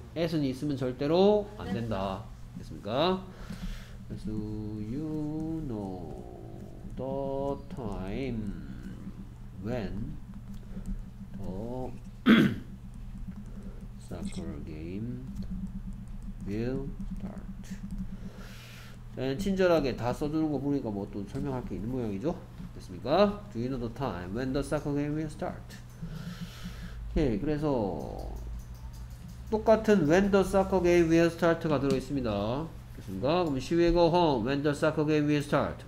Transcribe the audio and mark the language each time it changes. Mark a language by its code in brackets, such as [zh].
[ko] at은 있으면 절대로 안 된다. 됐습니까? [en] Do you know the time when the soccer game will start? [ko] 친절하게 다 써주는 거 보니까 뭐 또 설명할 게 있는 모양이죠? 됐습니까? [en] Do you know the time when the soccer game will start? [ko] 오케이, 그래서 똑같은 [en] when the soccer game will start [ko] 가 들어있습니다. 됐습니까? [en] 그럼 she will go home when the soccer game will start.